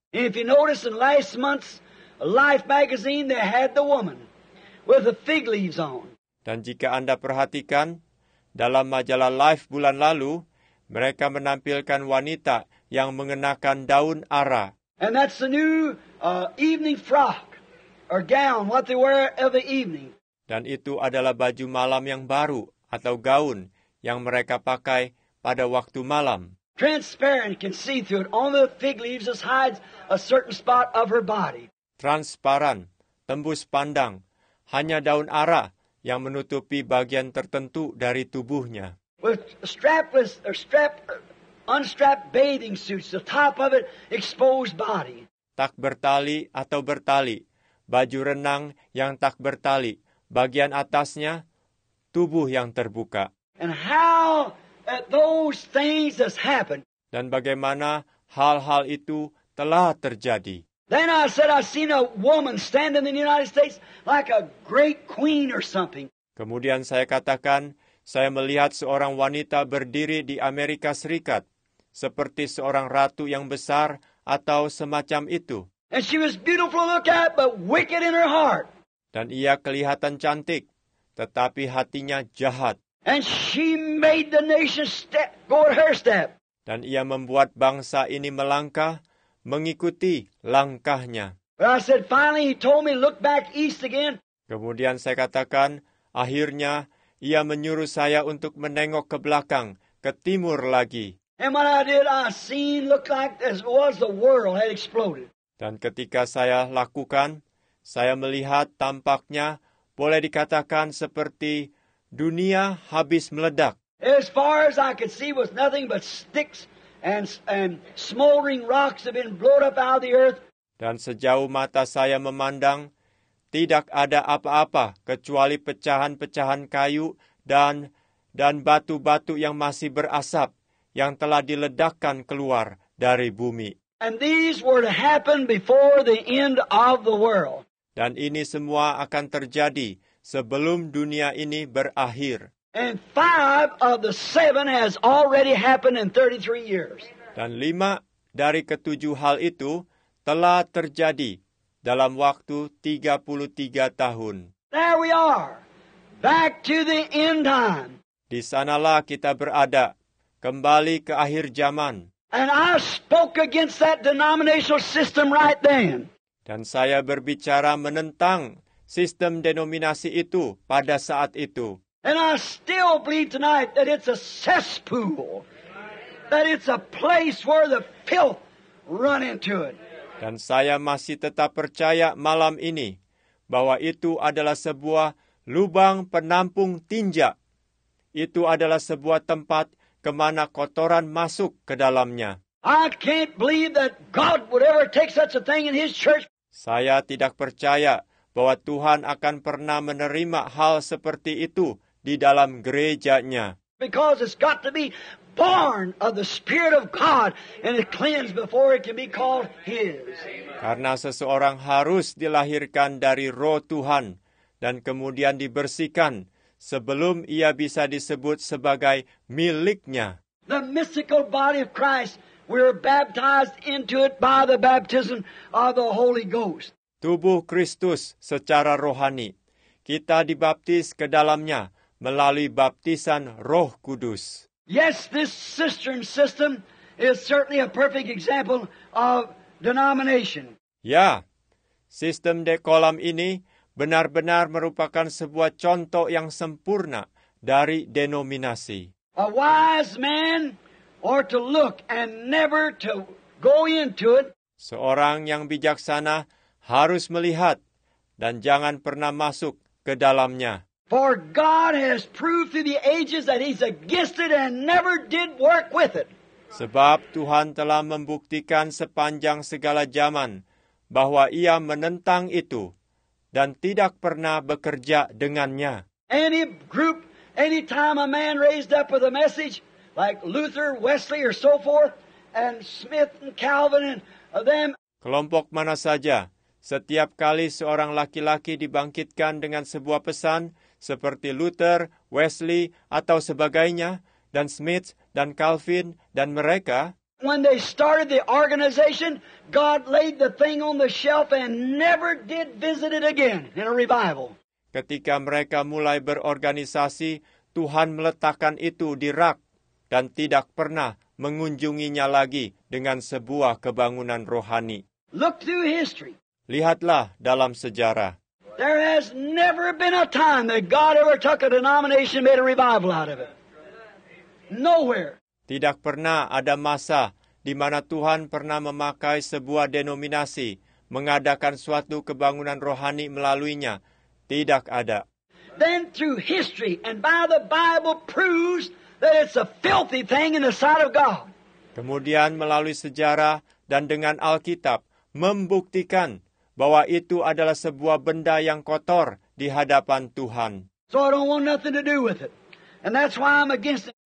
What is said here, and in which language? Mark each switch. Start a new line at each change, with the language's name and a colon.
English: And if you notice in last month's Life magazine, they had the woman with the fig leaves on.
Indonesian: Dan jika Anda perhatikan, dalam majalah Life bulan lalu, mereka menampilkan wanita yang mengenakan daun ara.
English: And that's the new evening frock or gown, what they wear every evening.
Indonesian: Dan itu adalah baju malam yang baru atau gaun yang mereka pakai pada waktu malam.
English: Transparent, can see through it. Only the fig leaves just hides a certain spot of her body.
Indonesian: Transparan, tembus pandang, hanya daun ara yang menutupi bagian tertentu dari tubuhnya.
English: With strapless or unstrapped bathing suits, the top of it exposed body.
Indonesian: Tak bertali atau bertali, baju renang yang tak bertali, bagian atasnya tubuh yang terbuka.
English: And how those things has happened.
Indonesian: Dan bagaimana hal-hal itu telah terjadi.
English: Then I said I seen a woman standing in the United States like a great queen or something.
Indonesian: Kemudian saya katakan, saya melihat seorang wanita berdiri di Amerika Serikat seperti seorang ratu yang besar atau semacam itu.
English: And she was beautiful to look at, but wicked in her heart.
Indonesian: Dan ia kelihatan cantik, tetapi hatinya jahat.
English: And she made the nation step go at her step.
Indonesian: Dan ia membuat bangsa ini melangkah mengikuti langkahnya.
English: But I said, finally he told me, look back east again.
Indonesian: Kemudian saya katakan, akhirnya ia menyuruh saya untuk menengok ke belakang, ke timur lagi.
English: And what I did, I seen looked like as was the world had exploded.
Indonesian: Dan ketika saya lakukan, saya melihat tampaknya boleh dikatakan seperti dunia habis meledak.
English: As far as I could see was nothing but sticks. And smoldering rocks have been blown up out of the earth.
Indonesian: Dan sejauh mata saya memandang, tidak ada apa-apa kecuali pecahan-pecahan kayu dan batu-batu yang masih berasap yang telah diledakkan keluar dari bumi. And these were to happen before the end of the world. Dan ini semua akan terjadi sebelum dunia ini berakhir. And five of the seven has already happened in 33 years. Dan lima dari ketujuh hal itu telah terjadi dalam waktu 33 tahun. There we are, back to the end time. Di sanalah kita berada, kembali ke akhir zaman. And I spoke against that denominational system right then. Dan saya berbicara menentang sistem denominasi itu pada saat itu. And I still believe tonight that it's a cesspool, that it's a place where the filth run into it. Dan saya masih tetap percaya malam ini bahwa itu adalah sebuah lubang penampung tinja. Itu adalah sebuah tempat kemana kotoran masuk ke dalamnya.
English: I can't believe that God would ever take such a thing in His church.
Indonesian: Saya tidak percaya bahwa Tuhan akan pernah menerima hal seperti itu di dalam gereja-Nya.
English: Because it's got to be born of the Spirit of God and it cleansed before it can be called His.
Indonesian: Karena seseorang harus dilahirkan dari Roh Tuhan dan kemudian dibersihkan sebelum ia bisa disebut sebagai miliknya.
English: The mystical body of Christ, we are baptized into it by the baptism of the Holy Ghost.
Indonesian: Tubuh Kristus secara rohani, kita dibaptis ke dalamnya melalui baptisan Roh Kudus.
English: Yes, this cistern system is certainly a perfect example of denomination.
Indonesian: Ya, sistem dekolam ini benar-benar merupakan sebuah contoh yang sempurna dari denominasi.
English: A wise man ought to look and never to go into it.
Indonesian: Seorang yang bijaksana harus melihat dan jangan pernah masuk ke dalamnya.
English: For God has proved through the ages that He's against it and never did work with it.
Indonesian: Sebab Tuhan telah membuktikan sepanjang segala zaman bahwa Ia menentang itu dan tidak pernah bekerja dengannya.
English: Any group, any time a man raised up with a message like Luther, Wesley, or so forth, and Smith and Calvin and them.
Indonesian: Kelompok mana saja, setiap kali seorang laki-laki dibangkitkan dengan sebuah pesan seperti Luther, Wesley, atau sebagainya, dan Smith dan Calvin dan mereka.
English: When they started the organization, God laid the thing on the shelf and never did visit it again in a revival.
Indonesian: Ketika mereka mulai berorganisasi, Tuhan meletakkan itu di rak dan tidak pernah mengunjunginya lagi dengan sebuah kebangunan rohani.
English: Look through history.
Indonesian: Lihatlah dalam sejarah.
English: There has never been a time that God ever took a denomination and made a revival out of it. Nowhere.
Indonesian: Tidak pernah ada masa di mana Tuhan pernah memakai sebuah denominasi, mengadakan suatu kebangunan rohani melaluinya. Tidak ada.
English: Then through history and by the Bible proves that it's a filthy thing in the sight of God.
Indonesian: Kemudian melalui sejarah dan dengan Alkitab membuktikan bahwa itu adalah sebuah benda yang kotor di hadapan Tuhan.
English: So I don't want nothing to do with it. And that's why I'm against it.